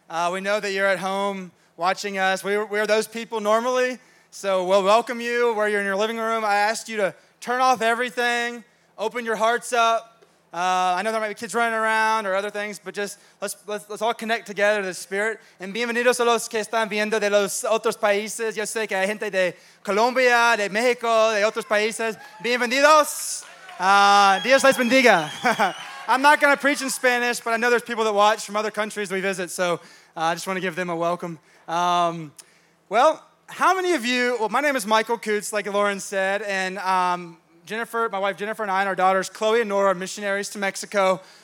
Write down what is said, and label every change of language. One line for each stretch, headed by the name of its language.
English: We know that you're at home watching us. We're those people normally, so we'll welcome you where you're in your living room. I ask you to turn off everything, open your hearts up. I know there might be kids running around or other things, but just let's all connect together to the Spirit.
Spanish: And bienvenidos a los que están viendo de los otros países. Yo sé que hay gente de Colombia, de México, de otros países. Bienvenidos. Dios les bendiga.
English: I'm not going to preach in Spanish, but I know there's people that watch from other countries we visit, so I just want to give them a welcome. Well, how many of you, my name is Michael Kutz, like Lauren said, and Jennifer, my wife Jennifer and I and our daughters, Chloe and Nora, are missionaries to Mexico.